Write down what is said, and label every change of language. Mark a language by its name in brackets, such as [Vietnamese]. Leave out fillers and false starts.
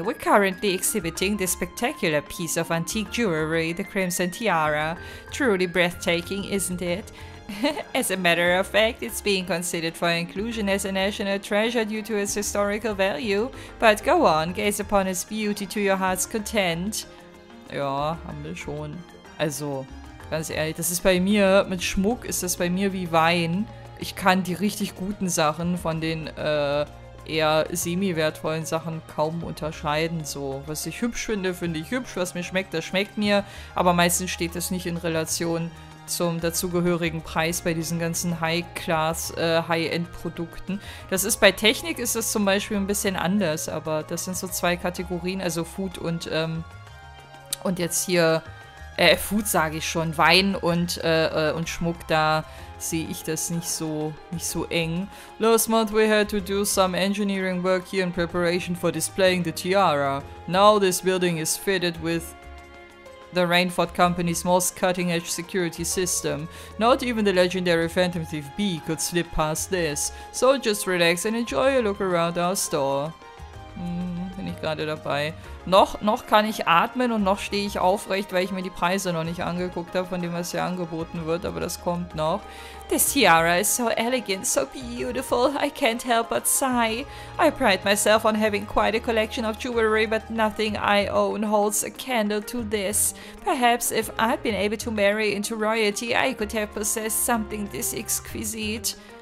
[English] We're currently exhibiting this spectacular piece of antique jewelry, the Crimson Tiara. Truly breathtaking, isn't it? As a matter of fact, it's being considered for inclusion as a national treasure due to its historical value. But go on, gaze upon its beauty to your heart's content. [German] Ja, haben wir schon. Also, ganz ehrlich, das ist bei mir, mit Schmuck ist das bei mir wie Wein. Ich kann die richtig guten Sachen von den eher semi-wertvollen Sachen kaum unterscheiden. So, was ich hübsch finde, finde ich hübsch. Was mir schmeckt, das schmeckt mir. Aber meistens steht das nicht in Relation zum dazugehörigen Preis bei diesen ganzen High-Class, High-End-Produkten. Das ist, bei Technik ist das zum Beispiel ein bisschen anders, aber das sind so zwei Kategorien, also Food und jetzt hier, Food sage ich schon, Wein und Schmuck, da sehe ich das nicht so eng. [English] Last month we had to do some engineering work here in preparation for displaying the tiara. Now this building is fitted with the Rainford Company's most cutting-edge security system. Not even the legendary Phantom Thief B could slip past this. So just relax and enjoy a look around our store. [German] Bin ich gerade dabei. Noch kann ich atmen und noch stehe ich aufrecht, weil ich mir die Preise noch nicht angeguckt habe, von dem, was hier angeboten wird, aber das kommt noch. [English] This tiara is so elegant, so beautiful, I can't help but sigh. I pride myself on having quite a collection of jewelry, but nothing I own holds a candle to this. Perhaps if I'd been able to marry into royalty, I could have possessed something this exquisite.